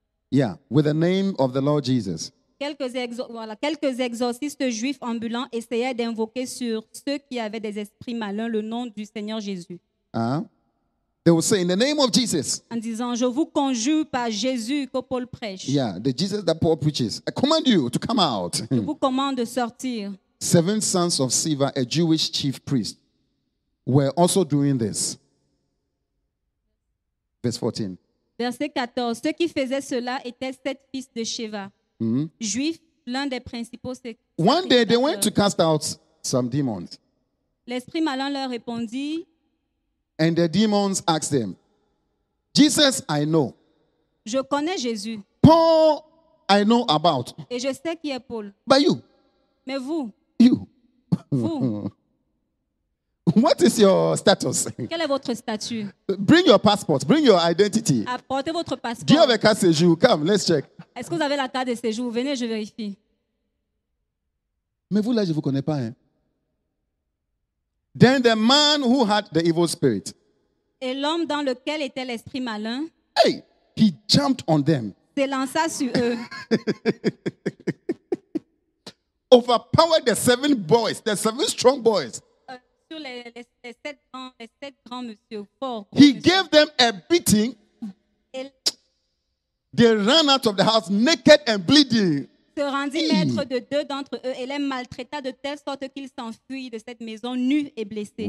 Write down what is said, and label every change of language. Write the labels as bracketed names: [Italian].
[English] Yeah, with the name of the Lord Jesus. [French] Quelques exorcistes juifs ambulants essayaient d'invoquer sur ceux qui avaient des esprits malins le nom du Seigneur Jésus. [English] They will say in the name of Jesus. [French] En disant, je vous conjure par Jésus que Paul prêche. [English] Yeah, the Jesus that Paul preaches. I command you to come out. [French] Je vous commande de sortir. [English] Seven sons of Sceva, a Jewish chief priest, were also doing this. Verse 14. [French] Verset 14. Ceux qui faisaient cela étaient sept fils de Sceva, juifs, l'un des principaux. [English] One day they went to cast out some demons. [French] L'esprit malin leur répondit. [English] And the demons asked them, Jesus, I know. [French] Je connais Jésus. [English] Paul, I know about. [French] Et je sais qui est Paul. [English] But you. [French] Mais vous. [English] You. [French] Vous. [English] What is your status? [French] Quel est votre statut? [English] Bring your passport. Bring your identity. [French] Apportez votre passeport. [English] Do you have a carte de séjour? Come, let's check. [French] Est-ce que vous avez la carte de séjour? Venez, je vérifie. Mais vous, là, je ne vous connais pas, hein? [English] Then the man who had the evil spirit. [French] Et l'homme dans lequel était l'esprit malin. [English] Hey, he jumped on them. [French] Se lança sur eux. [English] Overpowered the seven boys, the seven strong boys. [French] Sur les sept grands monsieur forts. [English] He gave them a beating. They ran out of the house naked and bleeding. [French] Se rendit maître de deux d'entre eux et les maltraita de telle sorte qu'ils s'enfuient de cette maison nus et blessés.